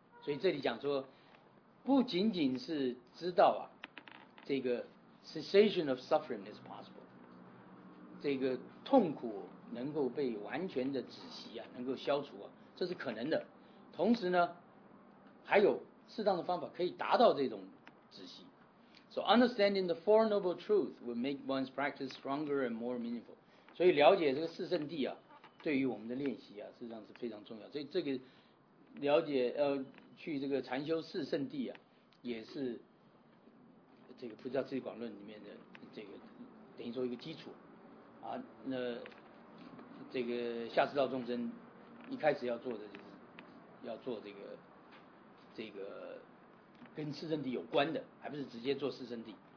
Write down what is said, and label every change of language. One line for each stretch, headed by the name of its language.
Chinese: 所以这里讲说，不仅仅是知道啊，这个
English: cessation of suffering is possible，
Chinese: 这个痛苦能够被完全的止息啊，能够消除啊，这是可能的。同时呢，还有适当的方法可以达到这种止息。
English: So understanding the Four Noble Truths will make one's practice stronger and more meaningful.
Chinese: 所以了解这个四圣谛啊，对于我们的练习啊，实际上是非常重要。所以这个了解去这个禅修四圣谛啊，也是这个《菩萨智慧广论》里面的这个等于说一个基础啊。那这个下士道众生一开始要做的就是要做这个跟四圣谛有关的，还不是直接做四圣谛。